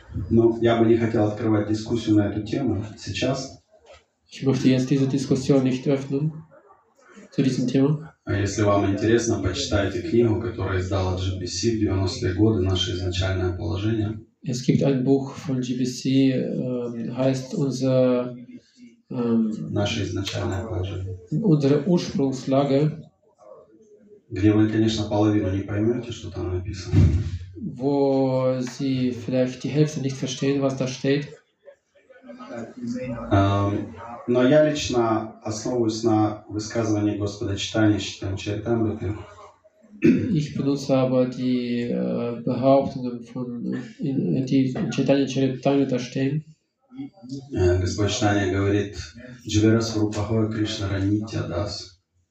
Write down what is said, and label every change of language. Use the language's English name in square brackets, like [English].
[Russian] Но я бы не хотел открывать дискуссию на эту тему сейчас. [German] Ich möchte jetzt diese Diskussion nicht öffnen zu diesem Thema. [Russian] А если вам интересно, почитайте книгу, которую издал GBC в 90-е годы, наше изначальное положение. [German] Es gibt ein Buch von GBC, heißt unser [Russian] наше изначальное положение. [German] Unsere Ursprungslage. [Russian] Где вы, конечно, половину не поймете, что там написано. [German] Wo sie vielleicht die Hälfte nicht verstehen, was da steht. [Russian] Но я лично основываюсь на высказывании Господа Чайтаньи Чайтамриты. [German] Ich benutze aber die Behauptungen von die Чайтанья Чаритамрита da stehen. [Russian] Господь Чайтанья говорит: "Живя с рупахой Кришна ранитья дас".